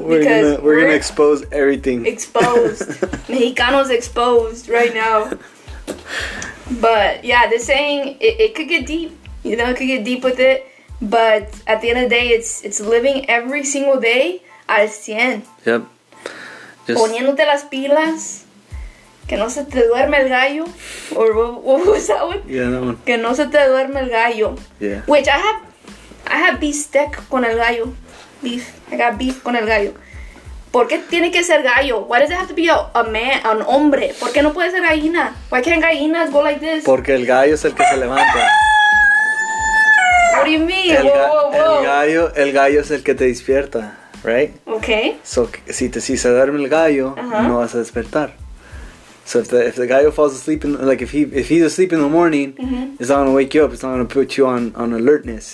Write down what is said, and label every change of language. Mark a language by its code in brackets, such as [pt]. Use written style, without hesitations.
[en] we're gonna expose everything. Exposed. Mexicanos exposed right now. But yeah, the saying, it could get deep. You know, it could get deep with it. But at the end of the day, it's living every single day [es] al 100. [en] Yep. [es] Just poniéndote las pilas, que no se te duerme el gallo. [en] Or what was that one? Yeah, that one. [es] Que no se te duerme el gallo. [en] Yeah. Which I have [es] bistec con el gallo. [en] Beef. I got beef [es] con el gallo. ¿Por qué tiene que ser gallo? [en] Why does it have to be a man, an hombre? [es] ¿Por qué no puede ser gallina? [en] Why can't gallinas go like this? [es] Porque el gallo es el que se levanta. [en] What do you mean? Whoa. [es] El gallo es el que te despierta, right? [en] Okay. [es] So, si se duerme el gallo, uh-huh. no vas a despertar. [en] So if the guy who falls asleep in, like if he's asleep in the morning, mm-hmm. it's not gonna wake you up. It's not gonna put you on alertness.